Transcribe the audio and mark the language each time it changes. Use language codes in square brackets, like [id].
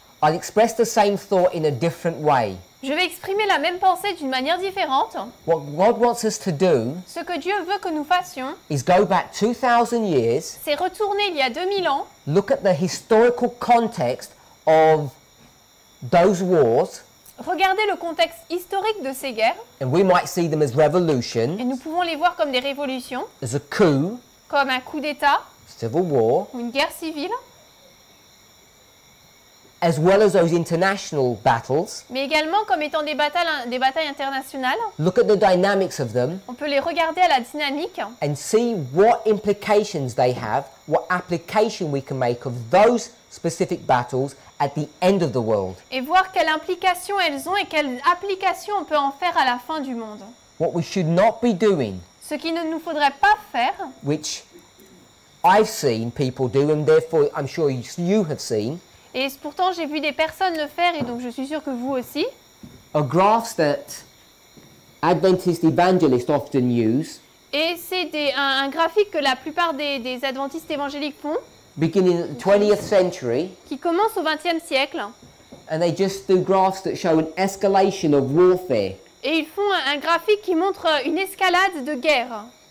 [en] I'll express the same thought in a different way. [fr] Je vais exprimer la même pensée d'une manière différente. [en] What God wants us to do. [fr] Ce que Dieu veut que nous fassions. [en] Is go back 2000 years. [fr] C'est retourner il y a 2000 ans. [en] Look at the historical context of those wars. [fr] Regardez le contexte historique de ces guerres. [en] And we might see them as revolutions. [fr] Et nous pouvons les voir comme des révolutions. [en] As a coup. [fr] Comme un coup d'État. [en] Civil war. [fr] Une guerre civile. [en] As well as those international battles. [fr] Mais également comme étant des batailles internationales. [en] Look at the dynamics of them. [fr] On peut les regarder à la dynamique. [en] And see what implications they have what application we can make of those specific battles at the end of the world. [fr] Et voir quelle implication elles ont et quelle application on peut en faire à la fin du monde. [en] What we should not be doing. [fr] Ce qu'il ne nous faudrait pas faire. [en] Which I've seen people do, and therefore I'm sure you have seen. [fr] Et pourtant j'ai vu des personnes le faire, et donc je suis sûr que vous aussi. [en] A graph that Adventist evangelists often use. [fr] Et c'est un graphique que la plupart des adventistes évangéliques font. [en] Beginning in the 20th century. [fr] Qui commence au 20e siècle. [en] And they just do graphs that show an escalation of warfare. [fr] Et ils font un graphique qui montre une escalade de guerre.